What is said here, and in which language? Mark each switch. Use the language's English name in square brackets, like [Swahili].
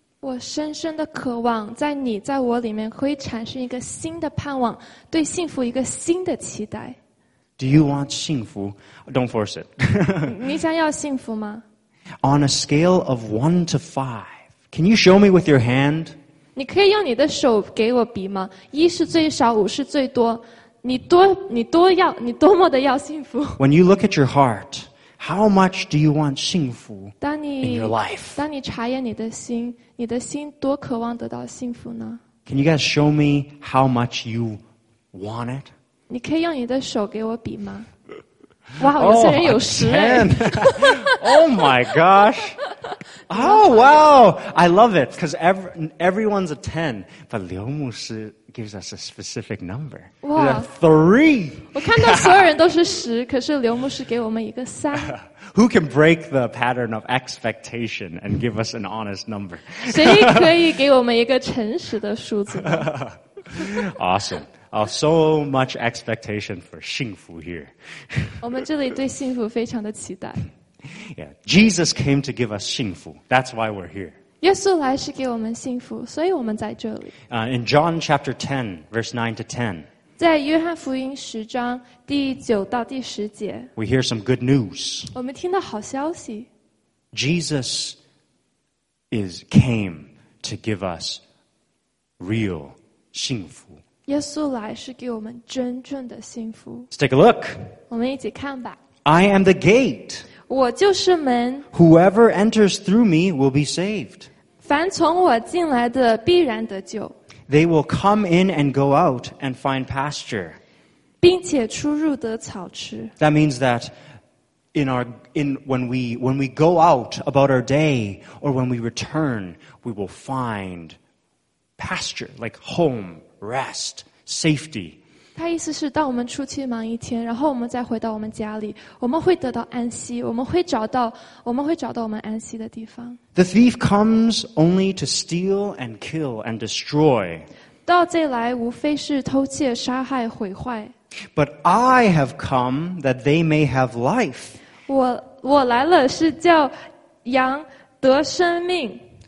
[Chinese] 我深深的渴望，在你在我里面会产生一个新的盼望，对幸福一个新的期待。 [English] Do you want 幸福? Don't force it. [Chinese] 你想要幸福吗？ [English] On a scale of 1 to 5, can you show me with your hand? [Chinese] 你可以用你的手给我比吗？一是最少，五是最多。你多么的要幸福。 [English] When you look at your heart, how much do you want 幸福 in your life? [Chinese] 当你查验你的心，你的心多渴望得到幸福呢？ [English] Can you guys show me how much you want it? [Chinese] 你可以用你的手给我比吗？哇，有些人有十哎。 [English] Oh my gosh! Oh wow! I love it because everyone's a 10, but 刘牧师gives us a specific number. Wow, three. [Chinese] 我看到所有人都是十，可是刘牧师给我们一个三。 [English] Who can break the pattern of expectation and give us an honest number? [Chinese] 谁可以给我们一个诚实的数字 [English] ？Awesome. Oh, so much expectation for 幸福 here. [Chinese] 我们这里对幸福非常的期待。 [English] Yeah, Jesus came to give us 幸福. That's why we're here. [Chinese] 耶稣来是给我们幸福，所以我们在这里。 [English] In John chapter 10, verse 9 to 10, [Chinese] 在约翰福音十章第九到第十节 [English] we hear some good news. [Chinese] 我们听到好消息。 [English] Jesus came to give us real [Chinese] 幸福。耶稣来是给我们真正的幸福。 [English] Let's take a look. [Chinese] 我们一起看吧。 [English] I am the gate. [Chinese] 我就是门。 [English] Whoever enters through me will be saved. [Chinese] 凡从我进来的必然得救。 [English] They will come in and go out and find pasture. [Chinese] 并且出入得草吃。 [English] That means that when we go out about our day or when we return, we will find pasture, like home. Rest, safety. [Chinese] 他意思是当我们出去忙一天然后我们再回到我们家里我们会得到安息我们会找到我们安息的地方。 [English] The thief comes only to steal and kill and destroy. [Chinese] 盗贼来无非是偷窃杀害毁坏。 [English] But I have come that they may have life. [Chinese] 我来了是叫羊得生命。